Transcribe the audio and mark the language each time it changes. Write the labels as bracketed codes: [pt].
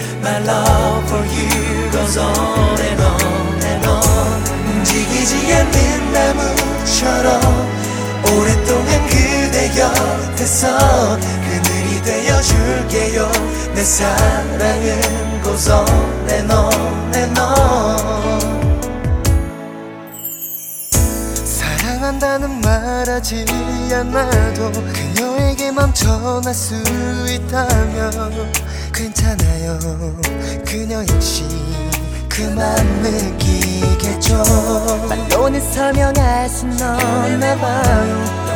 [en] My love for you goes on and on and on. [ko] 움직이지 않는 나무처럼 오랫동안 그대 곁에서 그늘이 되어줄게요. 내 사랑은 [en] goes on and on and on. [ko] 사랑한다는 말하지 않아도 그녀에게 멈춰날 수 있다면 괜찮아요. 그녀 역시 그 마음 느끼겠죠. 말로는 서명할 순 없나봐요.